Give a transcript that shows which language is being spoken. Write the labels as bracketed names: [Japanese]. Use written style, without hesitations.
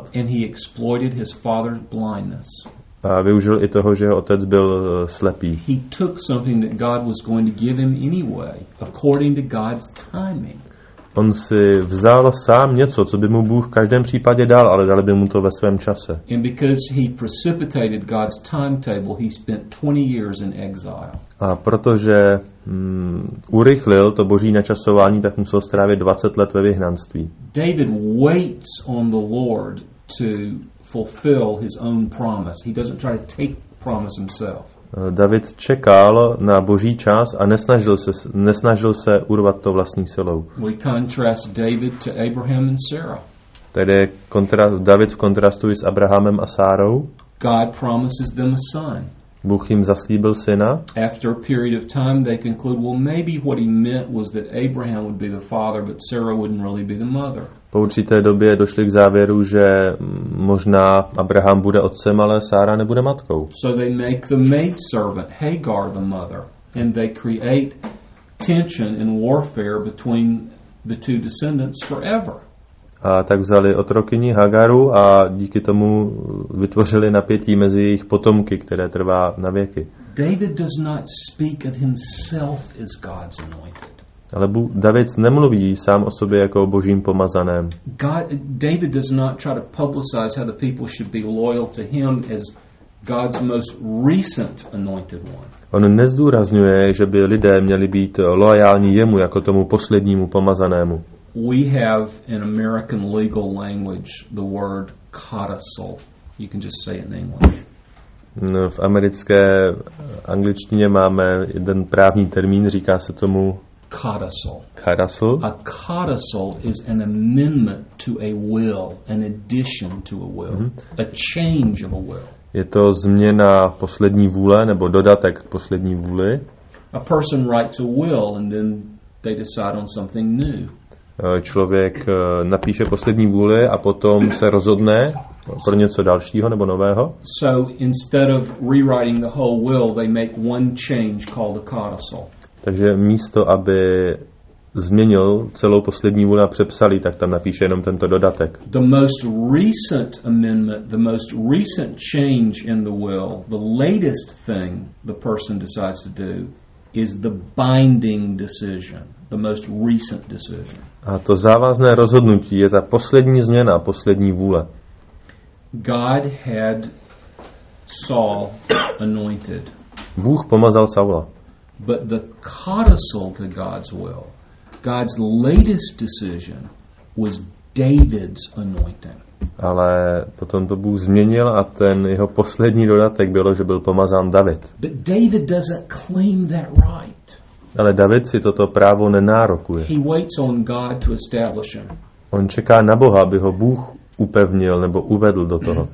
[English] And he exploited his father's blindness. [Czech] A využil i toho, že jeho otec byl slepý. [English] He took something that God was going to give him anyway, according to God's timing. [Czech] On si vzal sám něco, co by mu Bůh v každém případě dal, ale dali by mu to ve svém čase. [English] And because he precipitated God's timetable, he spent 20 years in exile. [Czech] A protože urychlil to Boží načasování, tak musel strávit 20 let ve vyhnanství. [English] David waits on the Lord to fulfill his own promise. He doesn't try to take promise himself. [Czech] David čekal na Boží čas a nesnažil se urvat to vlastní silou. [English] We contrast David to Abraham and Sarah. [Czech] Tedy David v kontrastu s Abrahamem a Sárou. [English] God promises them a son. [Czech] Bůh jim zaslíbil syna. [English] After a period of time they conclude, well, maybe what he meant was that Abraham would be the father, but Sarah wouldn't really be the mother. [Czech] Po určité době došli k závěru, že možná Abraham bude otcem, ale Sára nebude matkou. [English] So they make the maid servant Hagar the mother, and they create tension and warfare between the two descendants forever. [Czech] A tak vzali otrokyni Hagaru a díky tomu vytvořili napětí mezi jejich potomky, které trvá na věky. [English] David does not speak of himself as God's anointed. [Czech] Ale David nemluví sám o sobě jako o Božím pomazaném. [English] David does not try to publicize how the people should be loyal to him as God's most recent anointed one. [Czech] On nezdůrazňuje, že by lidé měli být loajální jemu jako tomu poslednímu pomazanému. [English] We have in American legal language the word codicil. You can just say it in English. [Czech] V americké angličtině máme jeden právní termín, říká se tomu [English] codicil. Codicil. A codicil is an amendment to a will, an addition to a will, a change of a will. [Czech] Je to změna poslední vůle nebo dodatek k poslední vůli. [English] A person writes a will and then they decide on something new. [Czech] Člověk napíše poslední vůli a potom se rozhodne pro něco dalšího nebo nového. [English] So instead of rewriting the whole will, they make one change called a codicil. [Czech] Takže místo, aby změnil celou poslední vůli a přepsali, tak tam napíše jenom tento dodatek. [English] The most recent amendment, the most recent change in the will, the latest thing the person decides to do is the binding decision. The most recent decision. [Czech] A to závazné rozhodnutí je ta poslední změna, poslední vůle. [English] God had Saul anointed. [Czech] Bůh pomazal Saula. [English] But the codicil to God's will, God's latest decision, was David's anointing. [Czech] Ale potom to Bůh změnil a ten jeho poslední dodatek bylo, že byl pomazán David. [English] But David doesn't claim that right. [Czech] Ale David si toto právo nenárokuje. [English] He waits on God to establish him. [Czech] On čeká na Boha, aby ho Bůh upevnil nebo uvedl do toho.